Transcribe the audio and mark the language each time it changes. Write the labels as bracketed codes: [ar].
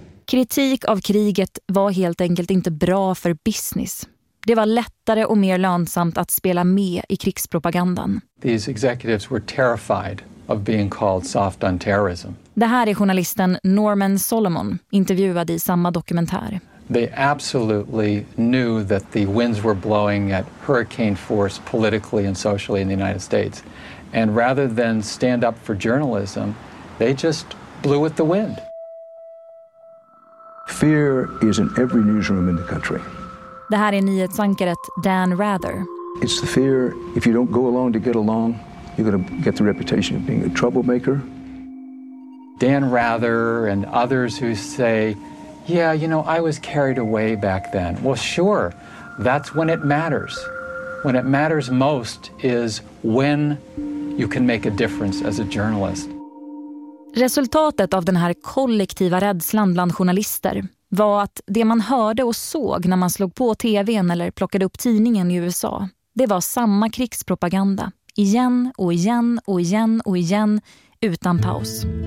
[sv] Kritik av kriget var helt enkelt inte bra för business. Det var lättare och mer lönsamt att spela med i krigspropagandan. [en] These executives were terrified of being called soft on terrorism. [sv] Det här är journalisten Norman Solomon, intervjuad i samma dokumentär. [en] They absolutely knew that the winds were blowing at hurricane force politically and socially in the United States. And rather than stand up for journalism, they just blew with the wind. Fear is in every newsroom in the country. [sv] Det här är nyhetsankaret Dan Rather. [en] It's the fear, if you don't go along to get along, you're going to get the reputation of being a troublemaker. Dan Rather and others who say, yeah, you know, I was carried away back then. Well, sure, that's when it matters. When it matters most is when you can make a difference as a journalist. [sv] Resultatet av den här kollektiva rädslan bland journalister var att det man hörde och såg när man slog på tvn eller plockade upp tidningen i USA, det var samma krigspropaganda. Igen och igen och igen och igen, utan paus.